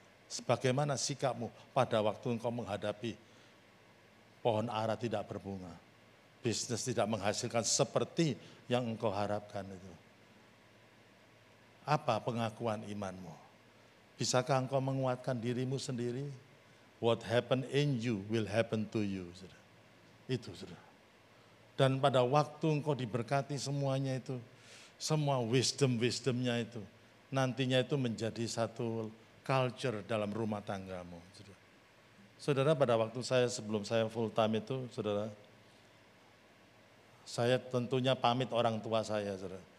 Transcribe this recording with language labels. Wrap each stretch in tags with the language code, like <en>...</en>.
<id>Sebagaimana sikapmu pada waktu engkau menghadapi pohon ara tidak berbunga, bisnis tidak menghasilkan seperti yang engkau harapkan itu. Apa pengakuan imanmu? Bisakah engkau menguatkan dirimu sendiri?</id> <en>What happened in you will happen to you.</en> <id>Saudara. Itu, saudara. Dan pada waktu engkau diberkati semuanya itu, semua wisdom-wisdomnya itu, nantinya itu menjadi satu culture dalam rumah tanggamu. Saudara, pada waktu saya sebelum saya full time itu, saudara, saya tentunya pamit orang tua saya, saudara.</id>